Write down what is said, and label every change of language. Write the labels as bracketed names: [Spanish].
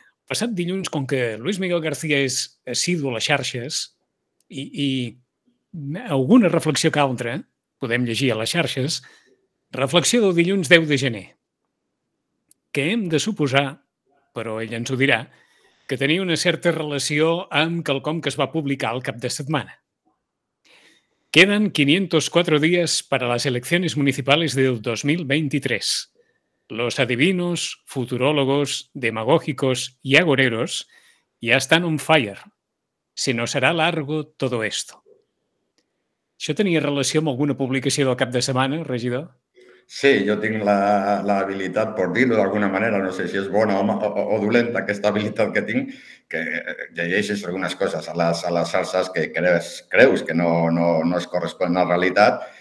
[Catalan] Passat dilluns, com que Luis Miguel García és assidu a les xarxes i alguna reflexió que altra podem llegir a les xarxes, reflexió del dilluns 10 de gener. Que hem de suposar, però ell ens ho dirà, que tenia una certa relació amb quelcom que es va publicar el cap de setmana. [Spanish] Queden 504 dies para las elecciones municipales del 2023. Los adivinos, futurólogos, demagógicos y agoreros ya están [English] on fire. [Spanish] Se nos hará largo todo esto. [Catalan] ¿Això tenia relació amb alguna publicació del cap de setmana, regidor? Sí, jo tinc l'habilitat, per dir-ho d'alguna manera, no sé si és bona o dolenta aquesta habilitat que tinc, que llegeixes algunes coses a les xarxes que creus que no es corresponen a la realitat.